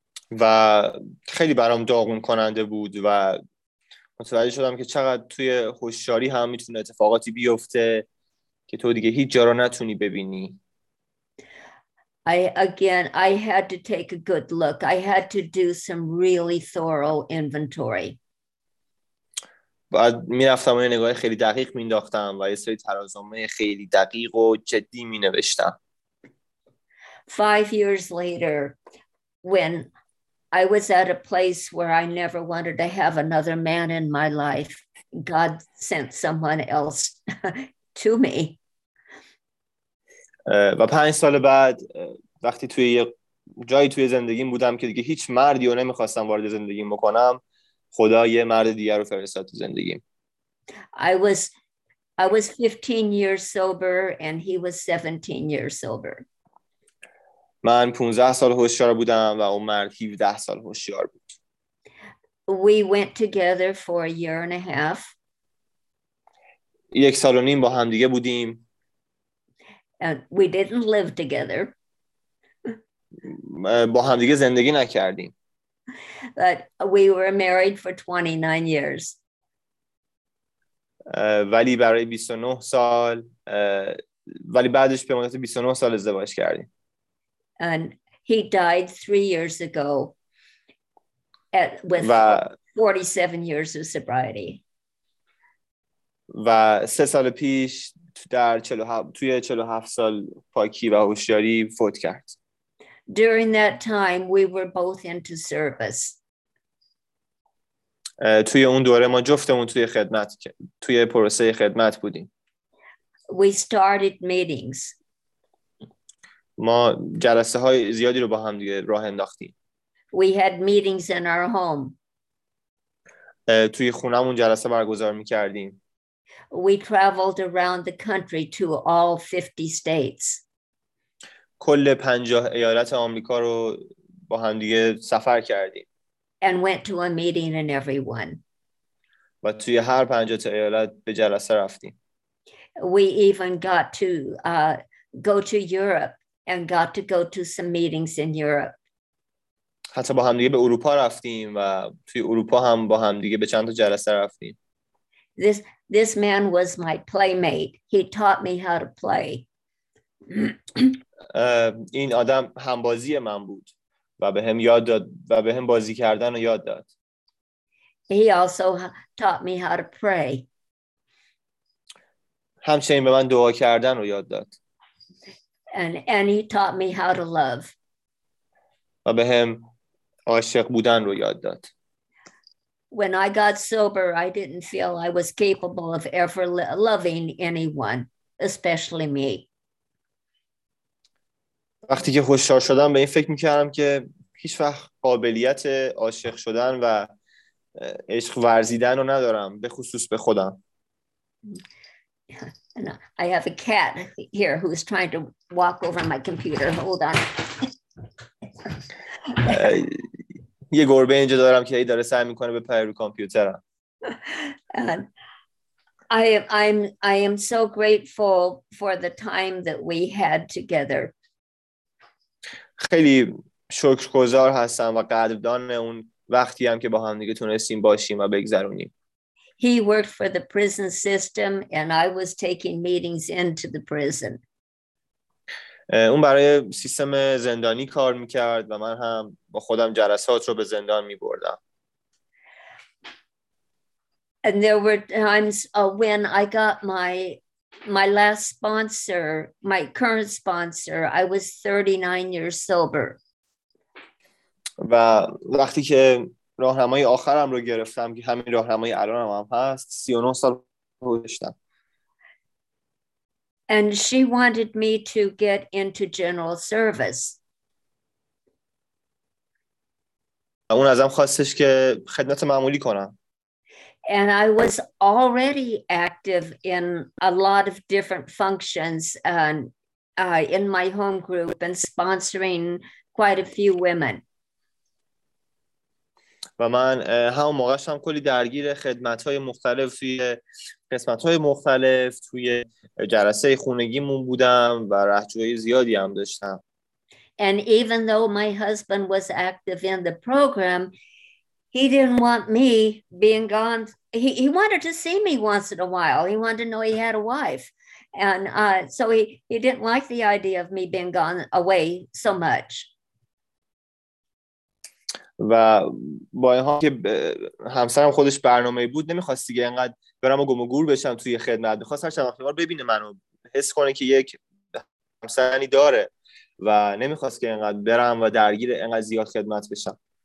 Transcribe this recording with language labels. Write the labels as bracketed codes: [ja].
[fa] و خیلی برام داغون کننده بود و متوجه شدم که چقدر توی هوشیاری هم میتونه اتفاقاتی بیفته که تو دیگه هیچ جا رو نتونی ببینی. [en] I had to take a good look. I had to do some really thorough inventory. [fa] بعد میرفتم و یه نگاه خیلی دقیق مینداختم و یه سری ترازنامه خیلی دقیق و جدی مینوشتم. [en] 5 years later, when I was at a place where I never wanted to have another man in my life, God sent someone else to me. [fa] و 5 سال بعد وقتی توی یه جایی توی زندگیم بودم که دیگه هیچ مردی رو نمیخواستم وارد زندگیم بکنم، خدا یه مرد دیگر رو فرستاد تو زندگیم. [en] I was 15 years sober and he was 17 years sober. [fa] من 15 سال هوشیار بودم و اون مرد 17 سال هوشیار بود. [en] We went together for a year and a half. [fa] یک سال و نیم با هم دیگه بودیم. [en] And we didn't live together. [fa] با هم دیگه زندگی نکردیم. [en] But we were married for 29 years. [fa] ولی برای 29 سال ولی بعدش به مدت 29 سال ازدواج کردیم. [en] And he died 3 years ago with 47 years of sobriety. [fa] و 3 سال پیش در 47 توی 47 سال پاکی و هوشیاری فوت کرد. [en] During that time we were both into service. [fa] توی اون دوره ما جفتمون توی خدمت توی پروسه خدمت بودیم. [en] We started meetings. [fa] ما جلسه های زیادی رو با هم دیگه راه انداختیم. [en] We had meetings in our home. [fa] توی خونمون جلسه برگزار می‌کردیم. [en] We traveled around the country to all 50 states. [fa] کل 50 ایالت آمریکا رو با هم دیگه سفر کردیم. [en] And went to a meeting in every one. [fa] و توی هر 50 ایالت به جلسه رفتیم. [en] We even got to go to Europe and got to go to some meetings in Europe. [fa] حتی با هم دیگه به اروپا رفتیم و توی اروپا هم با هم دیگه به چند تا جلسه رفتیم. [en] This man was my playmate. He taught me how to play. [fa] این آدم همبازی من بود و به هم یاد داد و به هم بازی کردن رو یاد داد. [en] He also taught me how to pray. [fa] همچنین به من دعا کردن رو یاد داد. [en] And he taught me how to love. [fa] و به هم عاشق بودن رو یاد داد. [en] When I got sober, I didn't feel I was capable of ever loving anyone, especially me. [fa] وقتی که هوشیار شدم به این فکر میکردم که هیچ وقت قابلیت عاشق شدن و عشق ورزیدن رو ندارم، به خصوص به خودم. [en] I have a cat here who's trying to walk over my computer. Hold on. [fa] یه گربه اینجا دارم که داره سعی میکنه به پر رو کامپیوترم. [en] I am so grateful for the time that we had together. [fa] خیلی شکرگزار هستم و قدردان اون وقتی هم که با هم دیگه تونستیم باشیم و بگذرونیم. [en] He worked for the prison system and I was taking meetings into the prison. [fa] اون برای سیستم زندانی کار میکرد و من هم با خودم جلسات رو به زندان میبردم. [en] And there were times when I got my last sponsor, my current sponsor, I was 39 years sober. [fa] و وقتی که راهنمای آخرم رو گرفتم که همین راهنمای الانم هم هست، 39 سال داشتم. [en] And she wanted me to get into general service. [fa] اون ازم خواستش که خدمت معمولی کنم. [en] And I was already active in a lot of different functions and in my home group and sponsoring quite a few women. [fa] و من همون موقعش هم کلی درگیر خدمت‌های مختلف توی قسمت‌های مختلف توی جلسه خونگیمون بودم و رهجوی زیادی هم داشتم. [en] And even though my husband was active in the program, he didn't want me being gone. He wanted to see me once in a while. He wanted to know he had a wife. And so he didn't like the idea of me being gone away so much. [fa] و با این حال که همسرم خودش برنامه بود، نمیخواست دیگه اینقدر برم و گم و گور بشم توی خدمت، میخواست هر چند بار ببینه منو، حس کنه که یک همسری داره و نمیخواست که اینقدر برم و درگیر اینقدر زیاد خدمت بشم.